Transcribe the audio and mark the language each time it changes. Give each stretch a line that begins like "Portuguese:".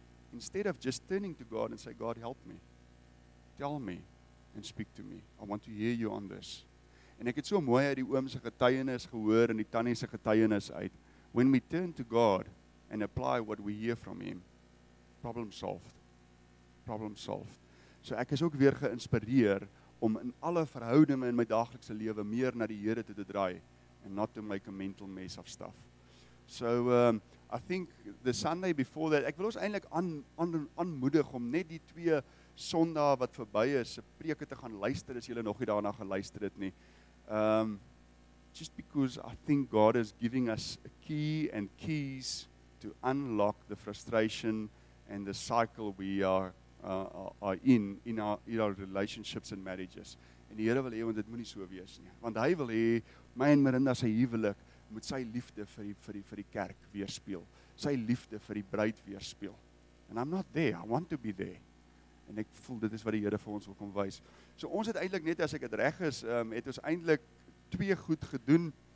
English: Instead of just turning to God, and say, God help me, tell me, and speak to me, I want to hear you on this.
Afrikaans: En ek het so mooi uit die oom se getuienis gehoor en die tannie se getuienis uit.
English: When we turn to God and apply what we hear from him, problem solved. Problem solved.
Afrikaans: So ek is ook weer geïnspireer om in alle verhoudinge in my daaglikse lewe meer na die Here te draai en
English: not to make a mental mess of stuff. So I think the Sunday before that,
Afrikaans: ek wil ons eintlik aanmoedig om net die twee sondae wat verby is se preke te gaan luister as jy nog nie daarna geluister het nie.
English: Just because I think God is giving us a key and keys to unlock the frustration and the cycle we are in our relationships and marriages.
Afrikaans: En die Here wil hê want dit moenie so wees nie. Want hy wil hê my en Marinda se huwelik moet sy liefde vir die kerk weerspeel. Sy liefde vir die bruid weerspeel.
English: And I'm not there. I want to be there.
Afrikaans: En ek voel dit is wat die Here vir ons wil kom wys. So ons het eintlik net as ek dit reg is, het ons eintlik twee goed gedoen.